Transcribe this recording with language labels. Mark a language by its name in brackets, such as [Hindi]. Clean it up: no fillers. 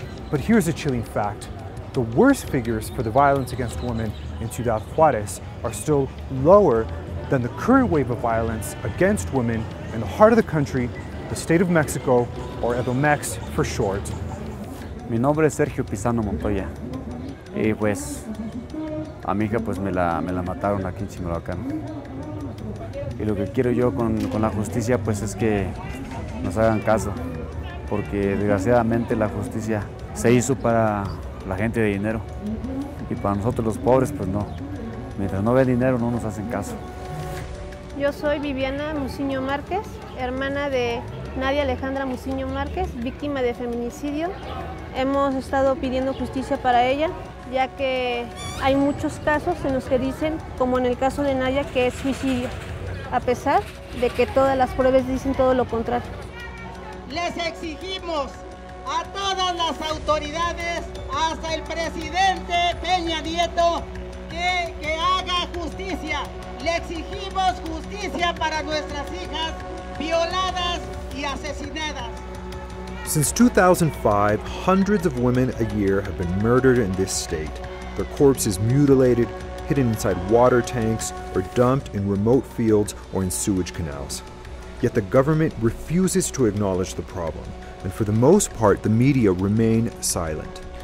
[English] But here's a chilling fact. The worst figures for the violence against women in Ciudad Juarez are still lower than the current wave of violence against women in the heart of the country, the state of Mexico, or Edomex for short. [Spanish] Mi nombre es Sergio Pisano Montoya. Y pues, a mi hija pues me la mataron aquí en Chimalhuacán. Y lo que quiero yo con la justicia pues es que nos hagan caso, porque desgraciadamente la justicia se hizo para la gente de dinero. Y para nosotros los pobres, pues no. Mientras no ve dinero, no nos hacen caso. Yo soy Viviana Muciño Márquez, hermana de Nadia Alejandra Muciño Márquez, víctima de feminicidio. Hemos estado pidiendo justicia para ella, ya que hay muchos casos en los que dicen, como en el caso de Nadia, que es suicidio, a pesar de que todas las pruebas dicen todo lo contrario. Les exigimos a todas las autoridades, hasta el presidente Peña Nieto, que haga justicia. Le exigimos justicia para nuestras hijas violadas y asesinadas. [English] Since 2005, hundreds of women a year have been murdered in this state. Their corpses mutilated, hidden inside water tanks, or dumped in remote fields or in sewage canals. Yet the government refuses to acknowledge the problem. And for the most part, the media remain silent.